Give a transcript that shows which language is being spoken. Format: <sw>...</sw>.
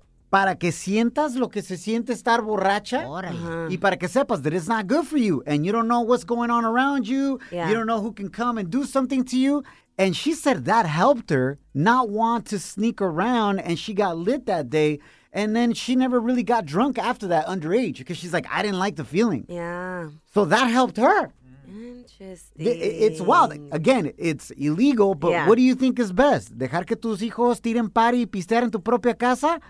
<es>Para que sientas lo que se siente estar borracha. Y para que sepas</es> <en>that it's not good for you. And you don't know what's going on around you. Yeah. You don't know who can come and do something to you. And she said that helped her not want to sneak around. And she got lit that day. And then she never really got drunk after that underage because she's like, I didn't like the feeling. Yeah. So that helped her. Interesting. It's wild. Again, it's illegal, but what do you think is best?</en> <es>Dejar que tus hijos tiren party y pistear en tu propia casa?</es>